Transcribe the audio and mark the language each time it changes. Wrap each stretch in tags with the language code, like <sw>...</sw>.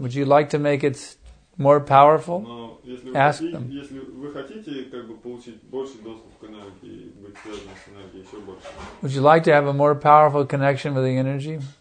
<en>Would you like to make it more powerful? Ask them.</en> <ru>Если вы хотите как бы получить больше доступ к энергии, быть связанным с энергией еще больше.</ru> <en>Would you like to have a more powerful connection with the energy?</en>